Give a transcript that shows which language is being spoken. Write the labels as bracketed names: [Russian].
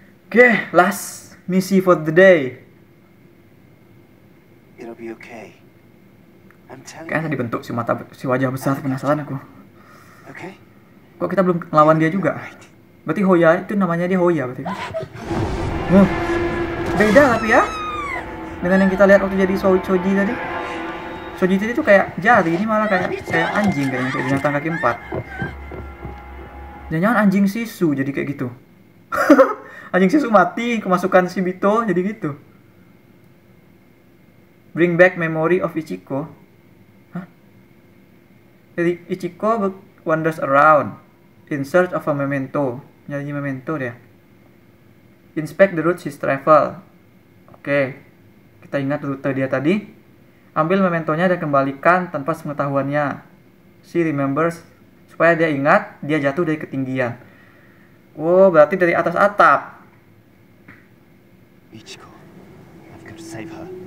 [English] Oke, okay, last misi for the day. It'll be okay. I'm telling. [Indonesian] Kayaknya dibentuk si mata, si wajah besar, penasaran aku. [English] Okay. [Indonesian] Kok kita belum lawan dia juga? Berarti Hoya itu namanya dia Hoya berarti. Beda tapi ya. Dengan yang kita lihat waktu jadi Choji tadi. Choji tadi tuh kayak jari, ini malah kayak anjing kayaknya, kayak binatang kaki 4. Jangan-jangan anjing Sisu jadi kayak gitu. Anjing Sisu mati kemasukan si Bito jadi gitu. [English] Bring back memory of Ichiko. Jadi Ichiko wanders around in search of a memento. Nyari memento dia. Inspect the route his travel. [Indonesian] Oke. Kita ingat rute dia tadi. Ambil mementonya dan kembalikan tanpa sepengetahuannya. She remembers. Supaya dia ingat, dia jatuh dari ketinggian. Oh, berarti dari atas atap. [English] Ichiko, I've got to save her.